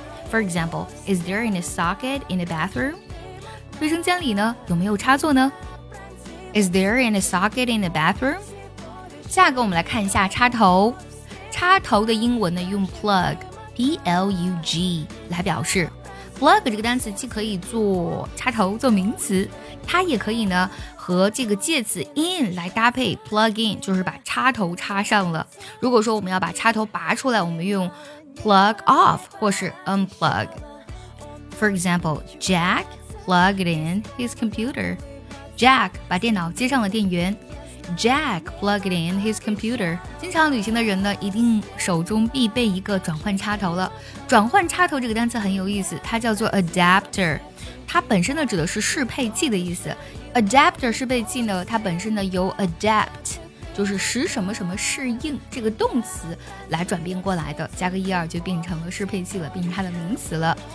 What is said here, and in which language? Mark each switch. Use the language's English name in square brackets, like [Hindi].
[English] For example, is there any socket in the bathroom? [Chinese] 卫生间里呢有没有插座呢 [English] Is there any socket in the bathroom? [Chinese] 下个我们来看一下插头，插头的英文呢用 plug P-L-U-G 来表示。 Plug 这个单词既可以做插头做名词，它也可以呢和这个介词 in 来搭配， plug in 就是把插头插上了。如果说我们要把插头拔出来，我们用 plug off 或是 unplug. [English] For example, JackPlugged in his computer. [Chinese] Jack 把电脑接上了电源。 [English] Jack plugged in his computer. [Chinese] 经常旅行的人呢，一定手中必备一个转换插头了。转换插头这个单词很有意思，它叫做 adapter。它本身呢指的是适配器的意思。Adapter 适配器呢，它本身呢由 adapt 就是使什么什么适应这个动词来转变过来的，加个er就变成了适配器了，变成它的名词了。